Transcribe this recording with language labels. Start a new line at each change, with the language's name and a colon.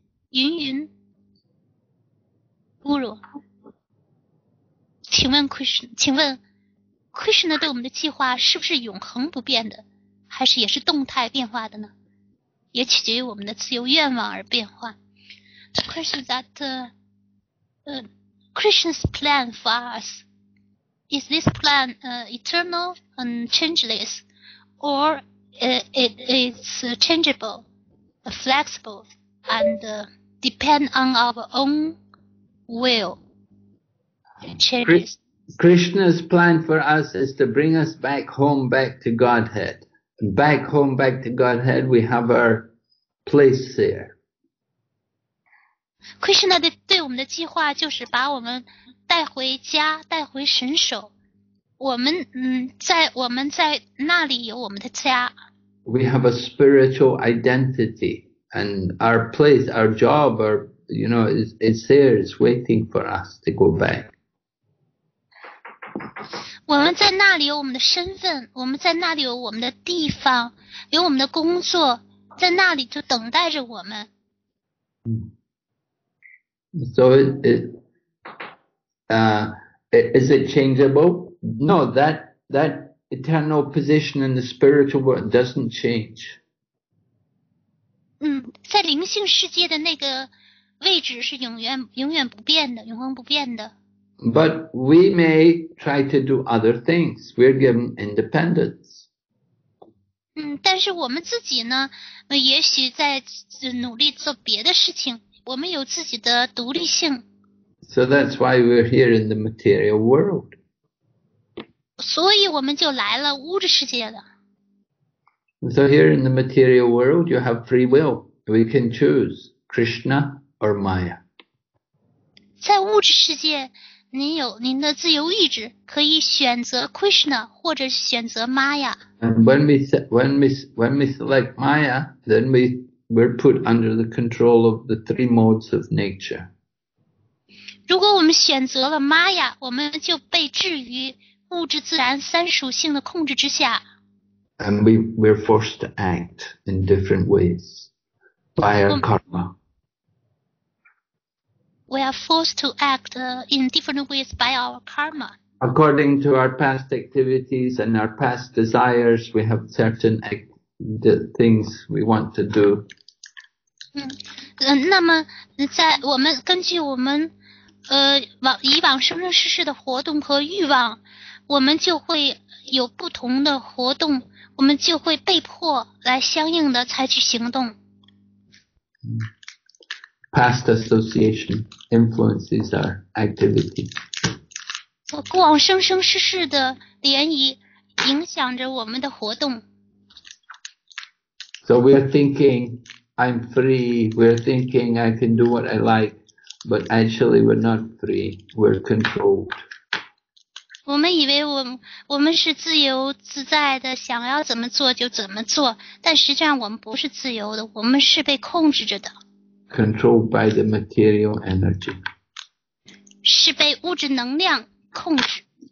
Chinese: 云云。侮辱，请问 Krishna， 请问 Krishna 对我们的计划是不是永恒不变的，还是也是动态变化的呢？也取决于我们的自由愿望而变化。
English: The question that, Krishna's plan for us, is this plan, eternal and changeless, or it is changeable, flexible, and depend on our own. Will change. Krishna's plan for us is to bring us back home, back to Godhead. Back home, back to Godhead, we have our place there.
Chinese: Krishna 对我们的计划就是把我们带回家，带回神手。我们在那里有我们的家。
English: We have a spiritual identity, and our place, our job, our You know, it's there, it's waiting for us to go back.
Chinese: 我们在那里有我们的身份，我们在那里有我们的地方，有我们的工作，在那里就等待着我们。
English: So is it changeable? No, that eternal position in the spiritual world doesn't change.
Chinese: 在灵性世界的那个位置是永远不变的，永恒不变的。
English: But we may try to do other things. We're given independence.
Chinese: 但是我们自己呢，也许在努力做别的事情。我们有自己的独立性。
English: So that's why we're here in the material world.
Chinese: 所以我们就来了物质世界了。
English: So here in the material world, you have free will. We can choose Krishna or Maya.
Chinese: 在物质世界。您有您的自由意志，可以选择 Krishna 或者选择 Maya。
English: When we select Maya, then we're put under the control of the three modes of nature.
Chinese: 如果我们选择了 Maya, 我们就被置于物质自然三属性的控制之下。
English: And we're forced to act in different ways by our karma. We are forced to act in different ways by our karma. According to our past activities and our past desires, we have certain things we want to do.
Chinese: 那么在我们根据我们以往生生世世的活动和欲望，我们就会有不同的活动，我们就会被迫来相应的采取行动。
English: Past association influences our activity.
Chinese: 过往生生世世的涟漪影响着我们的活动。
English: So we are thinking I'm free. We are thinking I can do what I like, but actually we're not free. We're controlled.
Chinese: 我们以为我们是自由自在的，想要怎么做就怎么做，但实际上我们不是自由的，我们是被控制着的。
English: Controlled by the material energy.
Chinese: 是被物质能量控制。